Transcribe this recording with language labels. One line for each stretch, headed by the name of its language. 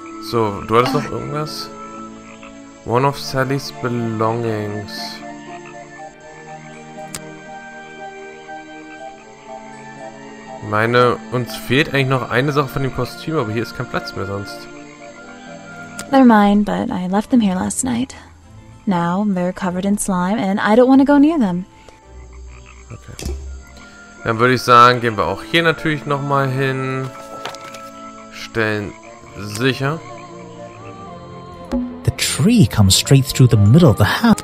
German: So, du hattest noch irgendwas?
English: One of Sally's belongings.
German: Meine, uns fehlt eigentlich noch eine Sache von dem Kostüm, aber hier ist kein Platz mehr sonst.
English: They're mine, but I left them here last night. Now they're covered in slime, and I don't want to go near them. Okay.
German: Dann würde ich sagen, gehen wir auch hier natürlich nochmal hin. Stellen sicher.
English: The tree comes straight through the middle of the house.